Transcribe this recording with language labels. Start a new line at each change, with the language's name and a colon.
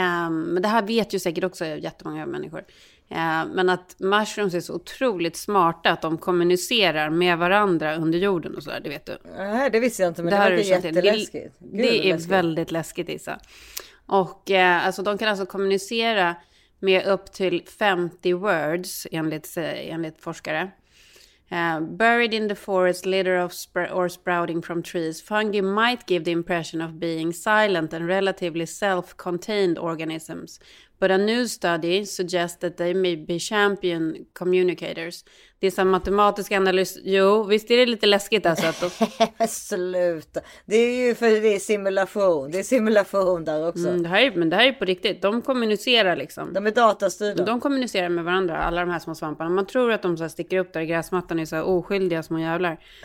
Swedish: Men det här vet ju säkert också jättemånga människor. Men att mushrooms är så otroligt smarta att de kommunicerar med varandra under jorden och sådär, det vet du. Nej, det visste jag inte, men det var jätteläskigt. Det är läskigt. Väldigt läskigt, Isa. Och alltså, de kan alltså kommunicera med upp till 50 words enligt forskare.
English: Buried in the forest, litter of or sprouting from trees, fungi might give the impression of being silent and relatively self-contained organisms, but a new study suggests that they may be champion communicators.
Swedish: Det är som matematisk analys. Jo, visst är det lite läskigt alltså. Att då... Sluta. Det är ju för det är simulation. Det är simulation där också. Det här är, men det här är på riktigt. De kommunicerar liksom. De är datastyrda. De kommunicerar med varandra, alla de här små svamparna. Man tror att de så här sticker upp där i gräsmattan och är så här oskyldiga små jävlar.